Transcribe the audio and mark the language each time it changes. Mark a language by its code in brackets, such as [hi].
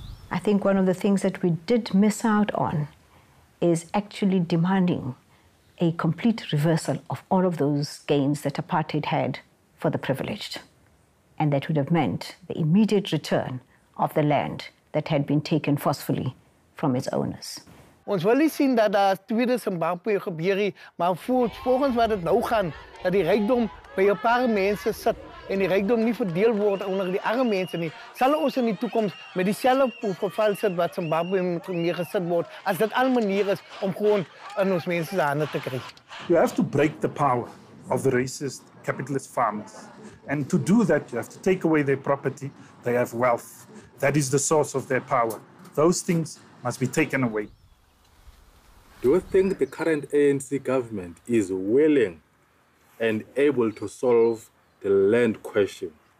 [en] I think one of the things that we did miss out on is actually demanding a complete reversal of all of those gains that apartheid had for the privileged. And that would have meant the immediate return of the land that had been taken forcefully from its owners. [af] Ons wil nie sien dat daar 'n tweede Zimbabwe gebeur nie, maar volgens wat dit nou gaan, dat die rykdom by 'n paar mense sit en die rykdom nie verdeel word onder die arme mense nie, sal ons in die toekoms met dieselfde geval sit wat Zimbabwe mee gesit word, as dit al manier is om gewoon in ons mense se hande te kry. [en] You have to break the power of the racist capitalist farmers. And to do that, you have to take away their property. They have wealth. That is the source of their power. Those things must be taken away. Do you think the current ANC government is willing and able to solve the land question?